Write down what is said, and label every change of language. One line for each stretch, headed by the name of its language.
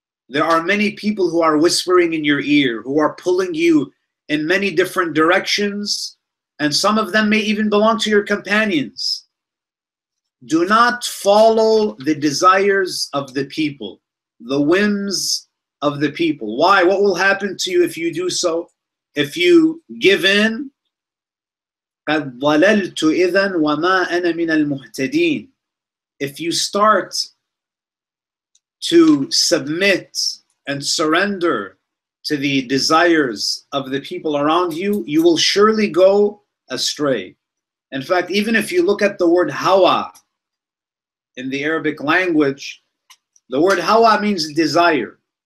English: There are many people who are whispering in your ear, who are pulling you in many different directions, and some of them may even belong to your companions. Do not follow the desires of the people, the whims of the people. Why? What will happen to you if you do so? If you give in,
Arabic: قَدْ ضَلَلْتُ إِذًا وَمَا أَنَا مِنَ الْمُهْتَدِينَ.
English: If you start to submit and surrender to the desires of the people around you, you will surely go astray. In fact, even if you look at the word hawa in the Arabic language, the word hawa means desire.